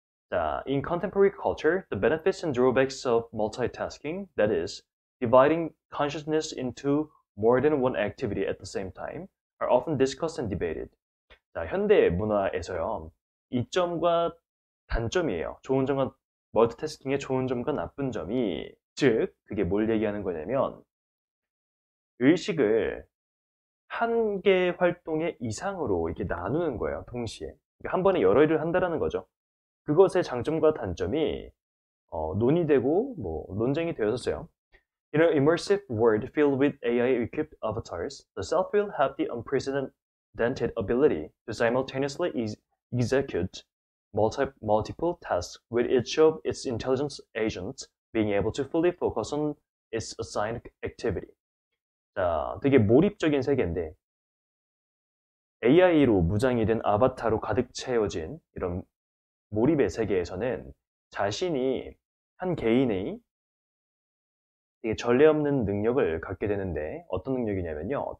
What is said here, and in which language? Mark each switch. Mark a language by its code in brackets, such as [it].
[en] 자, in contemporary culture, the benefits and drawbacks of multitasking, that is, dividing consciousness into more than one activity at the same time, are often discussed and debated. [ko] 자, 현대 문화에서요. 이점과 단점이에요. 좋은 점과 멀티태스킹의 좋은 점과 나쁜 점이 즉 그게 뭘 얘기하는 거냐면 의식을 한개 활동의 이상으로 이렇게 나누는 거예요. 동시에 한 번에 여러 일을 한다라는 거죠. 그것의 장점과 단점이 논의되고 뭐 논쟁이 되었었어요. [en] In an immersive world filled with AI-equipped avatars, the self will have the unprecedented ability to simultaneously execute multiple tasks with each of its intelligence agents being able to fully focus on its assigned activity. [ko] 자, 되게 몰입적인 세계인데 AI로 무장이 된 아바타로 가득 채워진 이런 몰입의 세계에서는 자신이 한 개인의 되게 전례 없는 능력을 갖게 되는데 어떤 능력이냐면요.